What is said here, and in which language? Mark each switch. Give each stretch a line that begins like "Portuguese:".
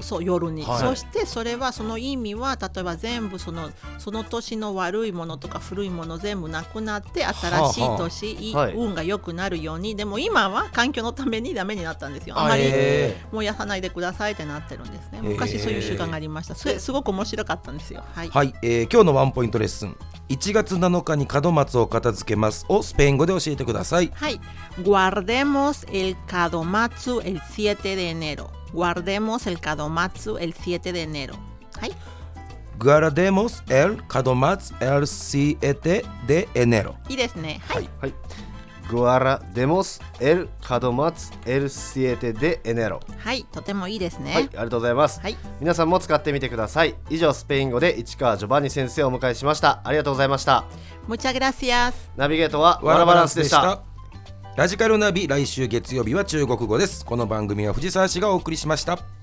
Japanese: そう、夜に、はい、そしてそれはその意味は、例えば全部その年の悪いものとか古いもの全部なくなって新しい年、はあはあ、はい、運が良くなるように。でも今は環境のためにダメになったんですよ。あまり燃やさないでくださいってなってるんですね。昔そういう習慣がありました。すごく面白かったんですよ、はいはい。今日のワンポイントレッスン、1月7日に門松を片付けますをスペイン語で教えてください。
Spanish: はい、 Guardemos el 門松 el 7 de enero。 Guardemos el kadomatsu el 7 de enero. ¿Hay? Guardemos el kadomatsu el 7 de enero. Y ですね.¿Hay? ¿Hay? Guardemos el kadomatsu el 7 de enero.
Japanese: ¿Hay? とてもいいですね。はい、ありがとうございます。はい、皆さんも使ってみてください。以上、スペイン語で市川ジョバンニ先生をお迎えしました。ありがとうございました。
Spanish: Muchas gracias.
Japanese: ナビゲートはワラバランスでした。ラジカルナビ、来週月曜日は中国語です。この番組は藤沢氏がお送りしました。